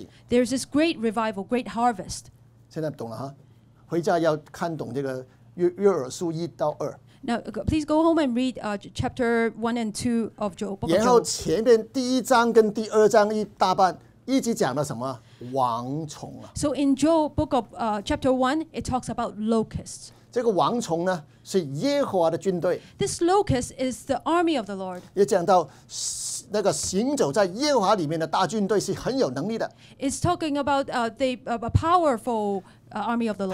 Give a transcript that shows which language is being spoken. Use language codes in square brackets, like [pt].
[en] There's this great revival, great harvest. [zh] 现在懂了，回家要看懂这个约珥书一到二。 [en] Now, please go home and read chapter 1 and 2 of Job. [zh] 然后前面第一章跟第二章一大半一直讲了什么？蝗虫啊。 [en] So in Job, book of chapter 1, it talks about locusts. [zh] 这个蝗虫呢，是耶和华的军队。 [en] This locust is the army of the Lord. [zh] 也讲到那个行走在耶和华里面的大军队是很有能力的。 [en] It's talking about the powerful army of the Lord.